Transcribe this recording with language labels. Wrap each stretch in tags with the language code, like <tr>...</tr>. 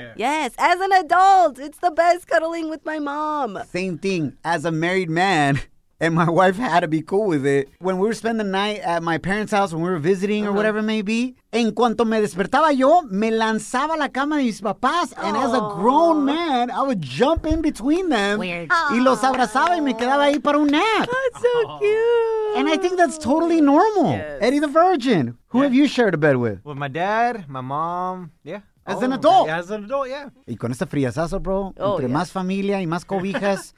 <en>Yeah. Yes, as an adult. It's the best cuddling with my mom. Same thing. As a married man, and my wife had to be cool with it. When we were spending the night at my parents' house, when we were visiting or whatever it may be,</en> <es>en cuanto me despertaba yo, me lanzaba a la cama de mis papás.</es> <en>And as a grown man, I would jump in between them. Weird.</en> <es>Y los abrazaba y me quedaba ahí para un nap.</es> <en>That's so cute. And I think that's totally normal. Yes. Eddie the Virgin, who have you shared a bed with? With my dad, my mom, yeah. As an adult. Yeah, as an adult, yeah.</en> <es>Y con este fríasazo, bro, entre más familia y más cobijas.</es>